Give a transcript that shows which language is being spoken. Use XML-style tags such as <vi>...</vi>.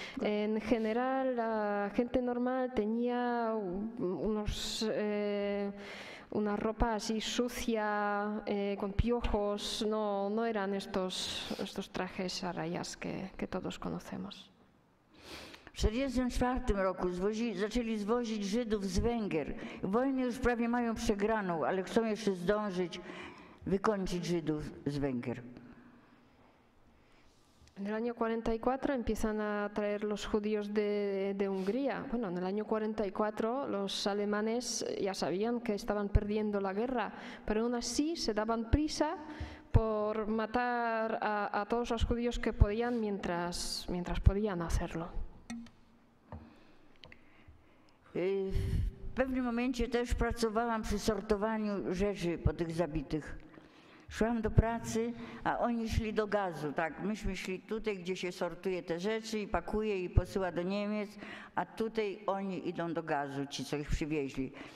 <es>En general, la gente normal tenía una ropa así sucia, con piojos, no eran estos trajes a rayas que todos conocemos.</es> <pl>W 1944 roku zaczęli zwozić Żydów z Węgier. Wojny już prawie mają przegraną, ale chcą jeszcze zdążyć wykończyć Żydów z Węgier.</pl> <es>En el año 44 empiezan a traer los judíos de Hungría. Bueno, en el año 44 los alemanes ya sabían que estaban perdiendo la guerra, pero aún así se daban prisa por matar a todos los judíos que podían mientras podían hacerlo.</es> <pl>W pewnym momencie też pracowałam przy sortowaniu rzeczy po tych zabitych. Szłam do pracy, a oni szli do gazu. Tak, myśmy szli tutaj, gdzie się sortuje te rzeczy i pakuje i posyła do Niemiec, a tutaj oni idą do gazu, ci, co ich przywieźli.</pl>